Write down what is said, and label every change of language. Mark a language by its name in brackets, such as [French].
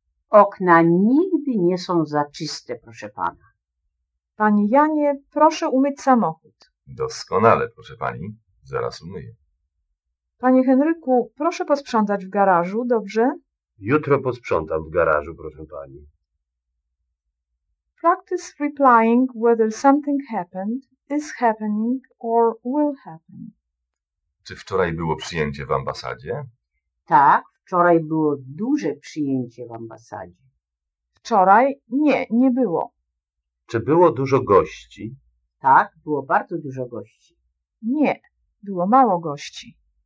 [Polish] Okna nigdy nie są za czyste, proszę pana. Pani Janie, proszę umyć samochód. Doskonale, proszę pani. Zaraz umyję. Panie Henryku, proszę posprzątać w garażu, dobrze? Jutro posprzątam w garażu, proszę pani. [English] Practice replying whether something happened, is happening or will happen. [Polish] Czy wczoraj było przyjęcie w ambasadzie? Tak, wczoraj było duże przyjęcie w ambasadzie. Wczoraj? Nie, nie było. Czy było dużo gości? Tak, było bardzo dużo gości. Nie, było mało gości.